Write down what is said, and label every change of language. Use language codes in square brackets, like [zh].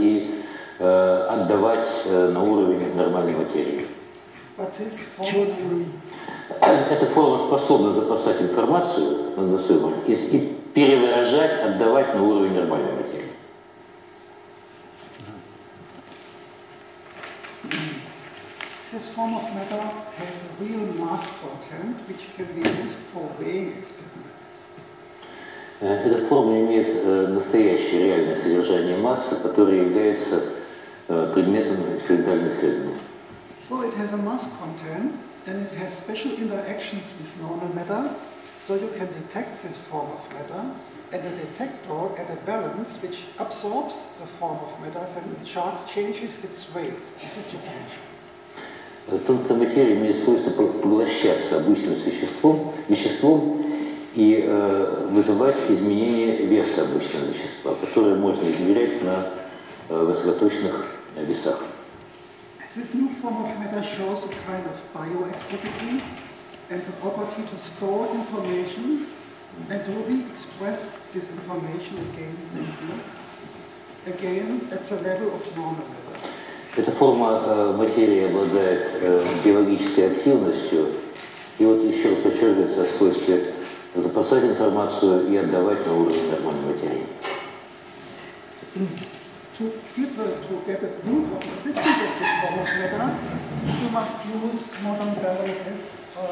[ru] и отдавать на уровень нормальной материи. Эта форма способна запасать информацию на своем уровне. Перевыражать, отдавать на уровень нормальной материи. [en] This form of matter has a real mass content, which can be used for weighing experiments. [ru] Эта форма имеет настоящее реальное содержание массы, которое является предметом экспериментального исследования. [en] So it has a mass content, and it has special interactions with normal matter. So you can detect this form of matter at a detector at a balance which absorbs the form of matter and charge changes its weight. This is your function. [ru] Тонкая материя имеет свойство поглощаться обычным веществом и вызывать изменение веса обычного вещества, которое можно измерять на высокоточных весах. [en] This new form of matter shows a kind of bioactivity and the property to store information and to re-express this information again and again at the level of normal matter. [ru] Эта форма материи обладает биологической активностью, и вот еще раз подчеркивается о свойстве запасать информацию и отдавать на уровень нормальной материи. [en] To get a proof of existence of this form of matter, you must use modern balances.